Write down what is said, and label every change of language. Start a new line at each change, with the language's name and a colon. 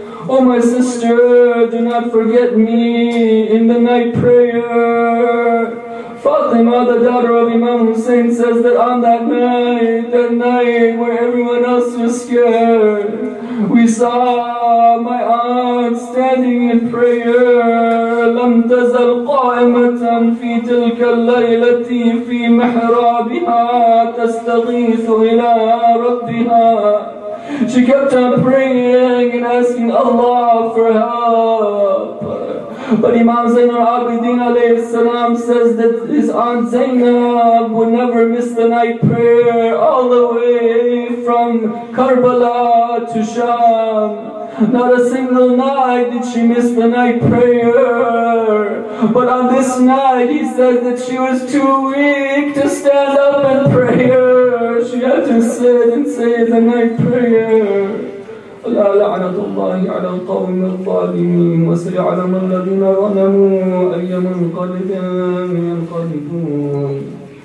English: Oh my sister, do not forget me in the night prayer. Fatima, the daughter of Imam Hussein, says that on that night where everyone else was scared, we saw my aunt standing in prayer.
Arabic: لم تزل قائمة في تلك الليلة في محرابها تستغيث إلى ربها.
English: She kept on praying and asking Allah for help. But Imam Zainal Abidin alayhi salam says that his aunt Zainab would never miss the night prayer all the way from Karbala to Sham. Not a single night did she miss the night prayer. But on this night, he says that she was too weak to stand up and pray. She had to sit and say the night prayer.
Arabic: لا لعنة الله على القوم الظالمين وسيعلم الذين ظلموا أي منقلب ينقلبون.